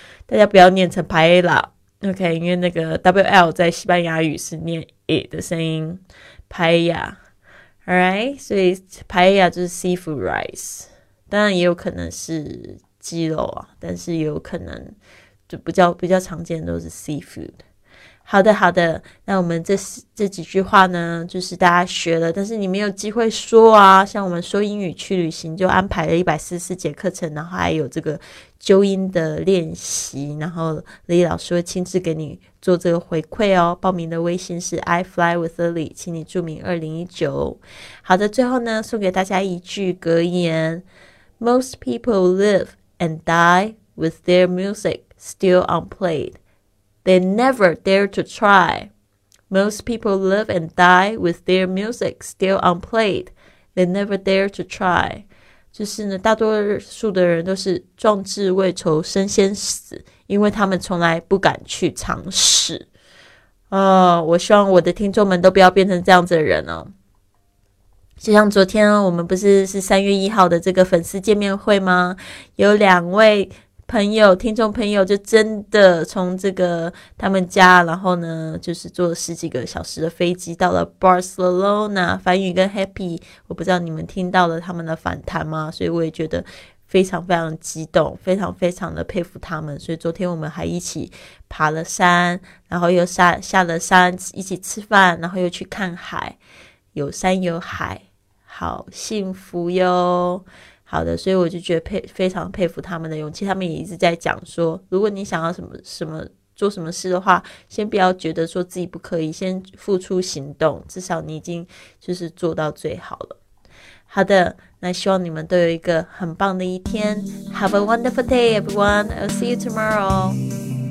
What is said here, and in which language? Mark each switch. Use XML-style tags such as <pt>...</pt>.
<zh>大家不要念成 paella. OK, 因为那个 WL 在西班牙语是念 it 的声音 paella. Alright, 所以 paella 就是 seafood rice. 当然也有可能是鸡肉啊，但是也有可能就比较常见的都是 seafood。好的好的，那我们这几句话呢，就是大家学了，但是你没有机会说啊。像我们说英语去旅行就安排了144节课程，然后还有这个纠音的练习，然后李老师会亲自给你做这个回馈哦。报名的微信是 I fly with Lily， 请你注明2019。好的，最后呢送给大家一句格言，</zh> <en>Most people live and die with their music still unplayed. They never dare to try. Most people live and die with their music still unplayed. They never dare to try.</en> <zh>就是呢，大多数的人都是壮志未酬身先死，因为他们从来不敢去尝试。我希望我的听众们都不要变成这样子的人哦。就像昨天哦，我们不是是3月1号的这个粉丝见面会吗？有两位朋友听众朋友就真的从这个他们家，然后呢就是坐了十几个小时的飞机到了 Barcelona， 梵语跟 Happy， 我不知道你们听到了他们的访谈吗？所以我也觉得非常非常激动，非常非常的佩服他们。所以昨天我们还一起爬了山，然后又下了山一起吃饭，然后又去看海，有山有海，好幸福哟。好的，所以我就觉得非常佩服他们的勇气。他们也一直在讲说，如果你想要什么什么做什么事的话，先不要觉得说自己不可以，先付出行动，至少你已经就是做到最好了。好的，那希望你们都有一个很棒的一天。</zh> <en>Have a wonderful day everyone. I'll see you tomorrow.</en>